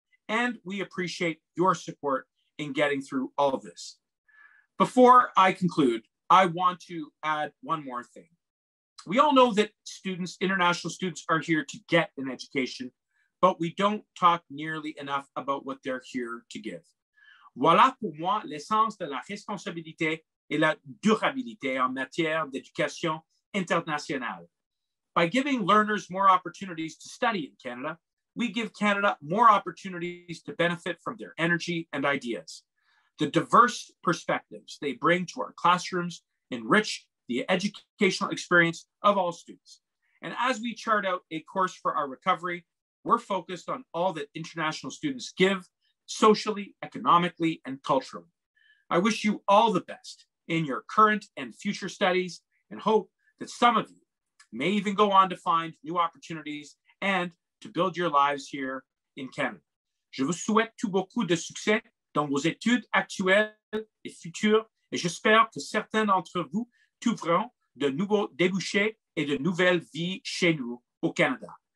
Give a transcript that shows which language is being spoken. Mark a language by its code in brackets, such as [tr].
[en] And we appreciate your support in getting through all of this. Before I conclude, I want to add one more thing. We all know that students, international students, are here to get an education, but we don't talk nearly enough about what they're here to give. [fr] Voilà pour moi l'essence de la responsabilité et la durabilité en matière d'éducation internationale. [en] By giving learners more opportunities to study in Canada, we give Canada more opportunities to benefit from their energy and ideas. The diverse perspectives they bring to our classrooms enrich the educational experience of all students. And as we chart out a course for our recovery, we're focused on all that international students give socially, economically, and culturally. I wish you all the best in your current and future studies and hope that some of you may even go on to find new opportunities and to build your lives here in Canada. [fr] Je vous souhaite tout beaucoup de succès dans vos études actuelles et futures, et j'espère que certains d'entre vous trouveront de nouveaux débouchés et de nouvelles vies chez nous au Canada.